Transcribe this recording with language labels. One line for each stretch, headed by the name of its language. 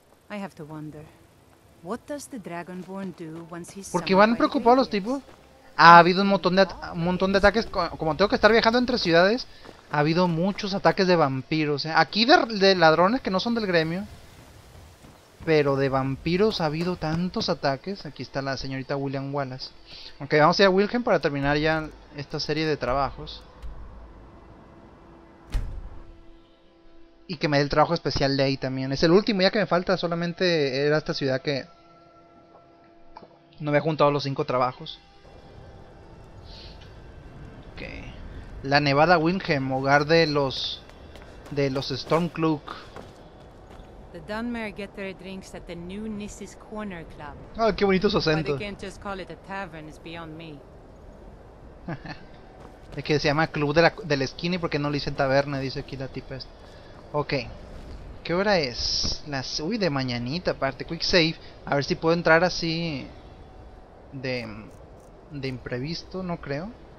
English: I have to wonder, what does the Dragonborn do once he's...
Spanish: ¿Por qué van preocupados los tipos? Ha habido un montón de ataques. Como tengo que estar viajando entre ciudades, ha habido muchos ataques de vampiros. Aquí de ladrones que no son del gremio, pero de vampiros ha habido tantos ataques. Aquí está la señorita William Wallace. Ok, vamos a ir a Wilhelm para terminar ya esta serie de trabajos. Y que me dé el trabajo especial de ahí también. Es el último ya que me falta. Solamente era esta ciudad que no había juntado los 5 trabajos. Okay. La Nevada Wilhelm, hogar de los Stormcloak.
English: The Dunmer get their drinks at the new Nissis Corner Club.
Spanish: Ah, qué bonito su acento.
English: They can't just call it a tavern, it's beyond me.
Spanish: Es que se llama club de la esquina y porque no le dicen taberna, dice aquí la tipa. Okay. ¿Qué hora es? De mañanita, aparte.
English: Quick save.
Spanish: A ver si puedo entrar así de imprevisto, no creo.